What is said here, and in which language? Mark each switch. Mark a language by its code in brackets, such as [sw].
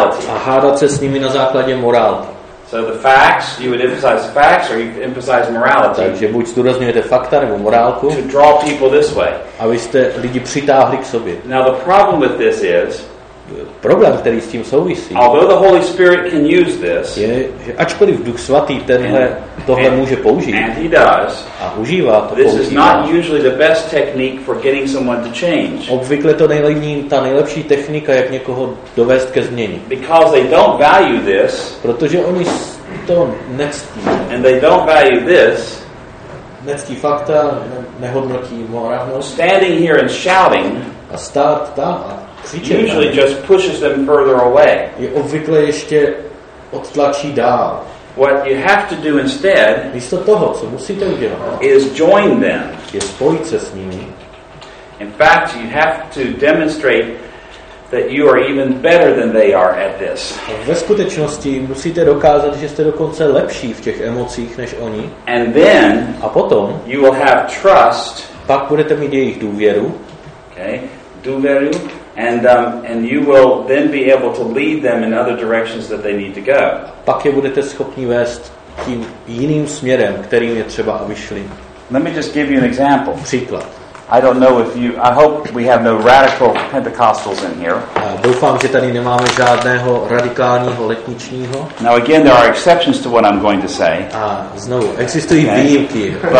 [cs] a hádat se s nimi na základě morálky. [en] So the facts, you would emphasize facts or you emphasize morality. [cs] Takže buď zdůrazňujete fakta nebo morálku. [en] To draw people this way. [cs] Abyste lidi přitáhli k sobě. [en] Now the problem with this is, [cs] problém, který s tím souvisí, [en] although the Holy Spirit can use this, [cs] je, že ačkoliv Duch Svatý tohle může použít, [en] and he does, [cs] a užívá to, [en] this is not usually the best technique for getting someone to change. [cs] Obvykle to není ta nejlepší technika, jak někoho dovést ke změně. [en] Because they don't value this, [cs] protože oni to nectí. [en] And they don't value this, [cs] nectí fakta, nehodnotí morálnost. [en] Standing here and shouting, [cs] a stát tam a [en] usually just pushes them further away. [cs] Je obvykle ještě odtlačí dál. [en] What you have to do instead, [cs] místo toho, co musíte udělat, [en] is join them. [cs] Je spojit se s nimi. [en] In fact, you have to demonstrate that you are even better than they are at this. [cs] Ve skutečnosti musíte dokázat, že jste dokonce lepší v těch emocích než oni. [en] And then, [cs] a potom, [en] you will have trust. [cs] Pak budete mít jejich důvěru. Okay, důvěru. [en] And you will then be able to lead them in other directions that they need to go. [cs] Pak je budete schopni vést tím jiným směrem, kterým je třeba, aby šli. [en] Let me just give you an example. [cs] Příklad. [en] I don't know if you. I hope we have no radical Pentecostals in here. [cs] Doufám, že tady nemáme žádného radikálního letničního. [en] Now again, there are exceptions to what I'm going to say. [cs] Znovu, existují výjimky.